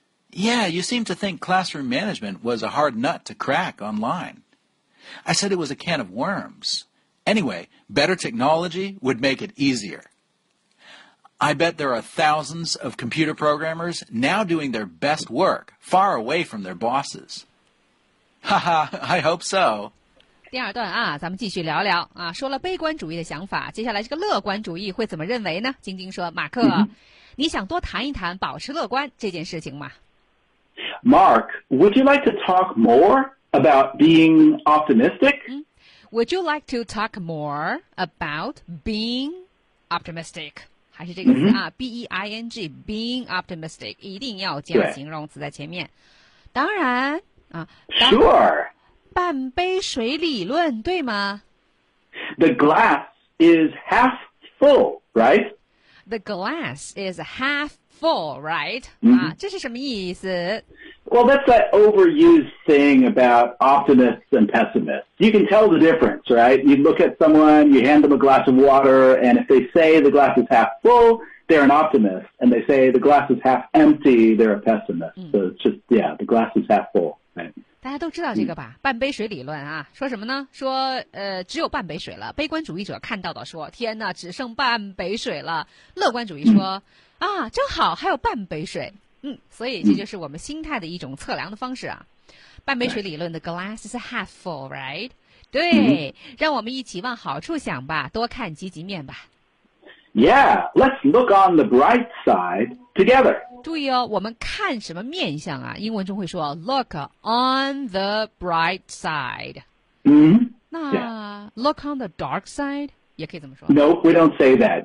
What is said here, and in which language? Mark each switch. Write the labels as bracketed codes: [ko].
[en] Yeah, you seem to think classroom management was a hard nut to crack online. I said it was a can of worms. Anyway, better technology would make it easier. I bet there are thousands of computer programmers now doing their best work far away from their bosses. Ha ha, I hope so. [zh] 第二段啊，咱们继续聊聊啊，说了悲观主义的想法，接下来这个乐观主义会怎么认为呢？晶晶说，马克，你想多谈一谈保持乐观这件事情吗？ [en] Mark, would you like to talk more about being optimistic? Would you like to talk more about being optimistic? [zh] 还是这个词啊、mm-hmm. ,B-E-I-N-G, [en] being optimistic, [zh] 一定要加形容词在前面。当然啊当 [en] ,Sure! [zh] 半杯水理论对吗 [en] ?The glass is half full, right? The glass is half full, right?、 Mm-hmm. [zh] 啊这是什么意思 [en] ?Well, that's that overused thing about optimists and pessimists. You can tell the difference, right? You look at someone, you hand them a glass of water, and if they say the glass is half full, they're an optimist. And they say the glass is half empty, they're a pessimist.、Mm. So it's just, yeah, the glass is half full, right? [zh] 大家都知道这个吧、mm. 半杯水理论啊说什么呢说只有半杯水了悲观主义者看到的说天哪只剩半杯水了乐观主义说、mm. 啊正好还有半杯水。嗯所以这就是我们心态的一种测量的方式啊。半杯水理论的 [en] glass is half full, right? 对、mm-hmm. [zh] 让我们一起往好处想吧多看积极面吧。 [en] Yeah, let's look on the bright side together. [zh] 注意哦我们看什么面相啊英文中会说 [en] look on the bright side.、 Mm-hmm. [zh] 那、 [en] yeah. look on the dark side? [zh] 也可以这么说。 [en] No, we don't say that.